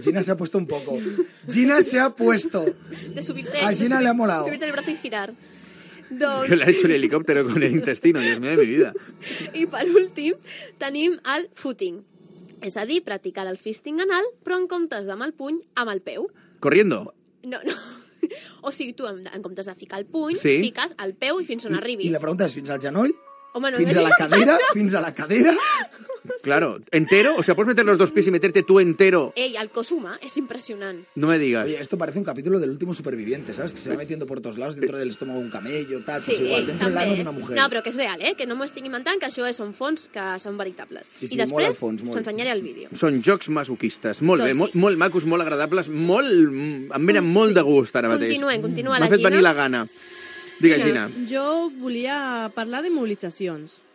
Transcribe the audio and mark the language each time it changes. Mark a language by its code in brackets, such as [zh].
[es] Gina se ha puesto un poco. Gina se ha puesto. De subirte. A Gina le ha molado. Subirte el brazo y girar. Que le ha hecho el helicóptero con el intestino, Dios mío de mi vida. [ca] I per últim, tenim el footing. És a dir, practicar el fisting anal, però en comptes d'amb el puny, amb el peu. [es] Corriendo. [ca] No. O sigui, tu en comptes de ficar el puny, sí. Fiques el peu i fins on arribis. I la pregunta és fins al genoll? Home, no, fins a la cadera? No. Fins a la cadera? [es] Claro, entero? O sea, pots meter los dos pies i meterte tu entero? [ca] Ei, el cos humà és impressionant. [es] No me digas. Oye, esto parece un capítulo del último superviviente, ¿sabes? Que se va metiendo por todos lados dentro del estómago un camello, tal. Sí, pues igual, dentro [ca] també. [es] Del ano d'una mujer. [ca] No, però que és real, ¿eh? Que no m'ho estic inventant, que això són fons que són veritables. Sí, sí, i després, molt al fons, molt. Us ensenyaré el vídeo. Són jocs masoquistes. Molt tot, bé, sí. Molt macos, molt agradables, molt... Em venen molt de gust ara mateix. Continua la Gina. M'ha fet venir la gana. Digue, Gina. Jo volia parlar de mobilitzacions.